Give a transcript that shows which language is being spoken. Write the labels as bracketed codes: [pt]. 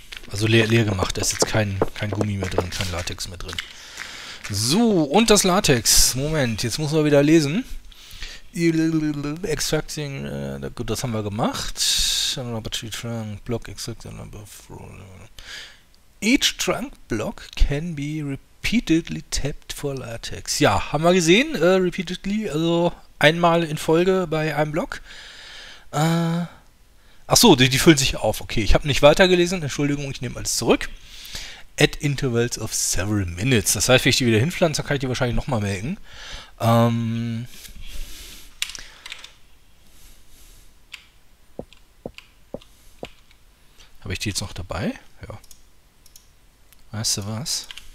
[de] Also leer gemacht. Da ist jetzt kein Gummi mehr drin, kein Latex mehr drin. So, und das Latex. Moment, jetzt muss man wieder lesen. Extracting, gut, das haben wir gemacht. [en] Rubber Tree Trunk Block Extracting. Each Trunk Block can be repeatedly tapped for Latex. [de] Ja, haben wir gesehen. Repeatedly, also einmal in Folge bei einem Block. Achso, die füllen sich auf. Okay, ich habe nicht weitergelesen. Entschuldigung, ich nehme alles zurück. [en] At intervals of several minutes. [de] Das heißt, wenn ich die wieder hinpflanze, dann kann ich die wahrscheinlich nochmal melken. Habe ich die jetzt noch dabei? Ja. Weißt du was?